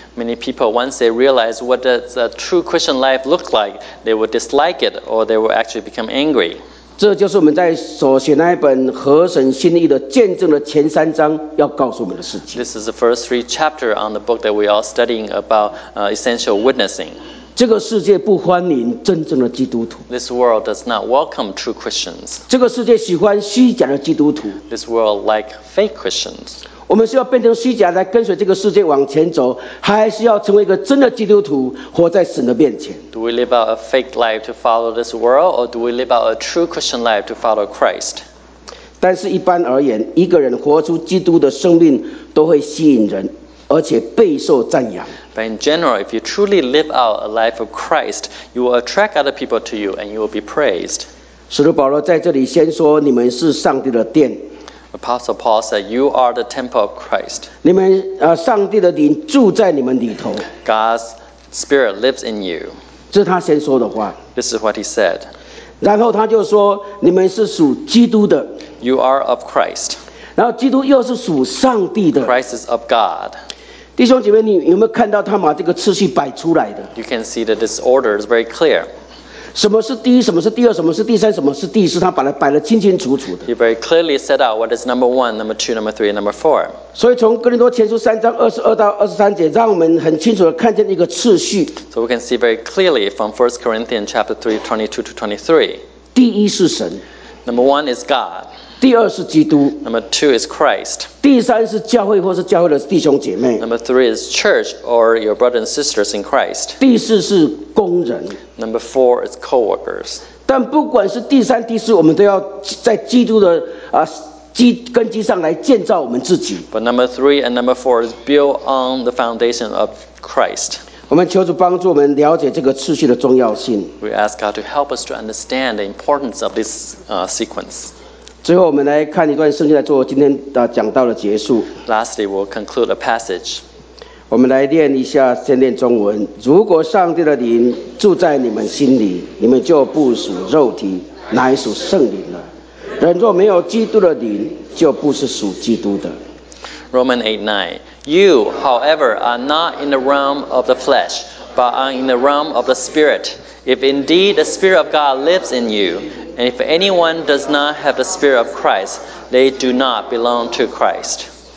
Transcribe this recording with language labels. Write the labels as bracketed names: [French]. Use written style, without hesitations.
[English] Many people, once they realize what does a true Christian life look like, they would dislike it or they would actually become angry. [Chinese] 这就是我们在所写那一本合神心意的见证的前三章要告诉我们的事情。 [English] This is the first three chapter on the book that we are studying about essential witnessing. [Chinese] 这个世界不欢迎真正的基督徒。 [English] This world does not welcome true Christians. [Chinese] 这个世界喜欢虚假的基督徒。 [English] This world like fake Christians. [Chinese] 我们是要变成虚假来跟随这个世界往前走，还是要成为一个真的基督徒，活在神的面前？ [English] Do we live out a fake life to follow this world, or do we live out a true Christian life to follow Christ? [Chinese] 但是一般而言，一个人活出基督的生命都会吸引人，而且备受赞扬。 [English] But in general, if you truly live out a life of Christ, you will attract other people to you, and you will be praised. [Chinese] 使徒保罗在这里先说，你们是上帝的殿。 [English] Apostle Paul said, "You are the temple of Christ." [Chinese] 你们上帝的灵住在你们里头。 [English] God's Spirit lives in you. [Chinese] 这是他先说的话。 [English] This is what he said. [Chinese] 然后他就说，你们是属基督的。 [English] You are of Christ. [Chinese] 然后基督又是属上帝的。 [English] Christ is of God. [Chinese] 弟兄姐妹，你有没有看到他把这个次序摆出来的 [English] ？You can see that this order is very clear. [Chinese] 什么是第一？什么是第二？什么是第三？什么是第四？他摆了清清楚楚的。 [English] He very clearly set out what is number one, number two, number three, number four. [Chinese] 所以从哥林多前书三章二十二到二十三节，让我们很清楚的看见一个次序。 [English] So we can see very clearly from 1 Corinthians chapter 3:22-23. [Chinese] 第一是神。 [English] Number one is God. [Chinese] 第二是基督。 [English] Number two is Christ. [Chinese] 第三是教会或是教会的弟兄姐妹。 [English] Number three is church or your brothers and sisters in Christ. [Chinese] 第四是工人。 [English] Number four is co-workers. [Chinese] 但不管是第三、第四，我们都要在基督的根基上来建造我们自己。 [English] But number three and number four is built on the foundation of Christ. [Chinese] 我们求主帮助我们了解这个次序的重要性。 [English] We ask God to help us to understand the importance of this sequence. [Chinese] 最后，我们来看一段圣经来做今天的讲道的结束。 [English] Lastly, we'll conclude a passage. [Chinese] 我们来练一下，先练中文。如果上帝的灵住在你们心里，你们就不属肉体，乃属圣灵了。人若没有基督的灵，就不是属基督的。 [English] Romans 8:9 You, however, are not in the realm of the flesh, but are in the realm of the spirit. If indeed the spirit of God lives in you, and if anyone does not have the spirit of Christ, they do not belong to Christ.